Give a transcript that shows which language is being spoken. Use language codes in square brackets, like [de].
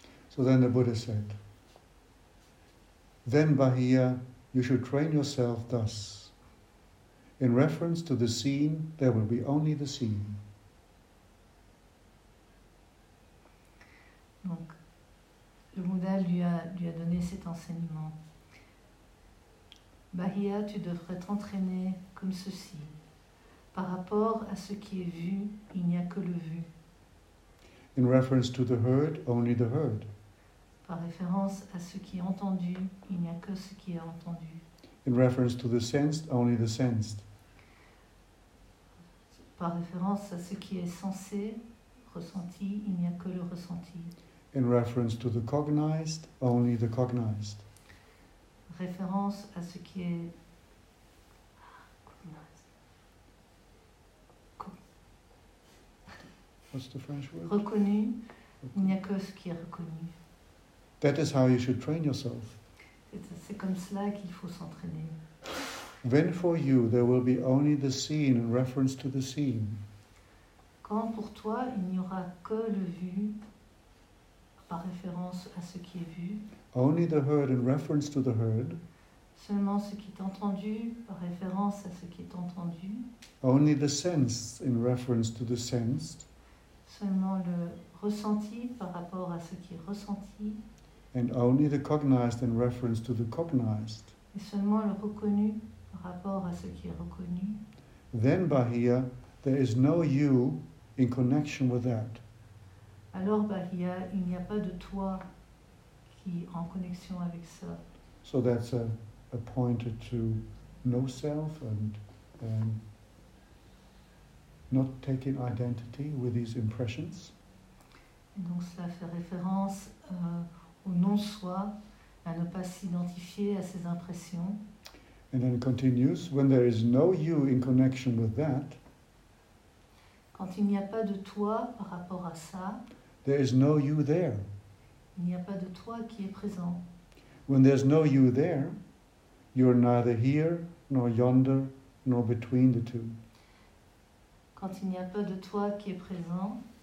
[en] So then the Buddha said, then Bahia, you should train yourself thus. In reference to the seen, there will be only the seen. [fr] Donc, le Bouddha lui a donné cet enseignement. Bahia, tu devrais t'entraîner comme ceci. Par rapport à ce qui est vu, il n'y a que le vu. [en] In reference to the heard, only the heard. [fr] par référence à ce qui est entendu, il n'y a que ce qui est entendu. [en] In reference to the sensed, only the sensed. [fr] Par référence à ce qui est sensé, ressenti, il n'y a que le ressenti. [en] In reference to the cognized, only the cognized. [fr] Référence à ce qui est [en] What's the French word? [fr] Reconnu, okay. Il n'y a que ce qui est reconnu. [en] That is how you should train yourself. [fr] C'est comme cela qu'il faut s'entraîner. [en] Then for you, there will be only the seen in reference to the seen. [fr] Quand pour toi, il n'y aura que le vu par référence à ce qui est vu. [en] Only the heard in reference to the heard. [fr] Seulement ce qui est entendu par référence à ce qui est entendu. [en] Only the sensed in reference to the sensed. [fr] Seulement le ressenti par rapport à ce qui est ressenti. [en] And only the cognized in reference to the cognized. [fr] Et seulement le reconnu par rapport à ce qui est reconnu. [en] Then, Bahia, there is no you in connection with that. [fr] Alors, Bahia, il n'y a pas de toi qui est en connexion avec ça. [en] So that's a pointer to no self and not taking identity with these impressions. [fr] Et donc cela fait référence au non-soi, à ne pas s'identifier à ces impressions. [en] And then it continues, when there is no you in connection with that, [fr] quand il n'y a pas de toi par rapport à ça, [en] there is no you there. [fr] Il n'y a pas de toi qui est présent. [en] When there's no you there, you're neither here, nor yonder, nor between the two. [fr] Quand il n'y a pas de toi qui est présent,